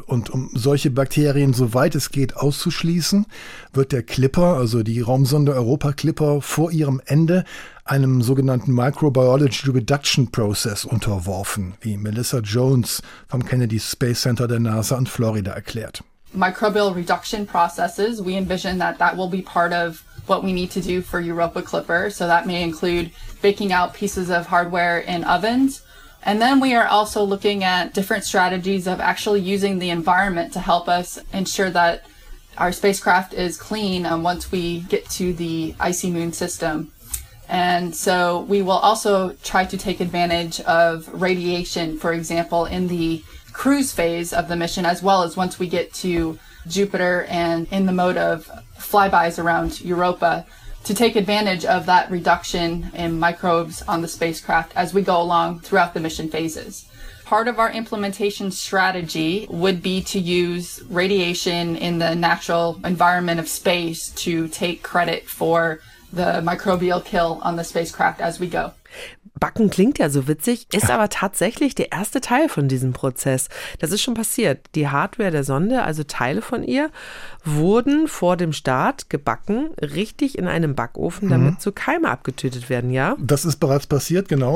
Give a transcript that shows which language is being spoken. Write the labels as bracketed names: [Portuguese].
[German] Und um solche Bakterien, soweit es geht, auszuschließen, wird der Clipper, also die Raumsonde Europa Clipper, vor ihrem Ende einem sogenannten Microbiology Reduction Process unterworfen, wie Melissa Jones vom Kennedy Space Center der NASA in Florida erklärt. [English] Microbial Reduction Processes, we envision that that will be part of what we need to do for Europa Clipper. So that may include baking out pieces of hardware in ovens. And then we are also looking at different strategies of actually using the environment to help us ensure that our spacecraft is clean once we get to the icy moon system. And so we will also try to take advantage of radiation, for example, in the cruise phase of the mission, as well as once we get to Jupiter and in the mode of flybys around Europa, to take advantage of that reduction in microbes on the spacecraft as we go along throughout the mission phases. Part of our implementation strategy would be to use radiation in the natural environment of space to take credit for the microbial kill on the spacecraft as we go. [German] Backen klingt ja so witzig, ist aber tatsächlich der erste Teil von diesem Prozess. Das ist schon passiert. Die Hardware der Sonde, also Teile von ihr, wurden vor dem Start gebacken, richtig in einem Backofen, damit so Keime abgetötet werden, ja? Das ist bereits passiert, genau.